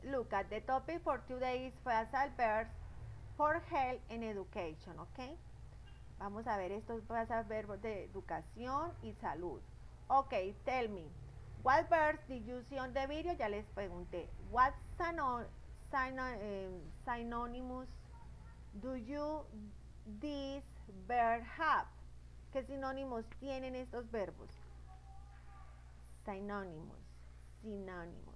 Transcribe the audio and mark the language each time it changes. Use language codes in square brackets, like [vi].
[en] Look at the topic for today is phrasal verbs for health and education, okay? [es] Vamos a ver estos phrasal verbos de educación y salud. [en] Okay, tell me, what verbs did you see on the video? [es] Ya les pregunté. [en] What synonyms do you these verbs have? [es] ¿Qué sinónimos tienen estos verbos? Synonymous.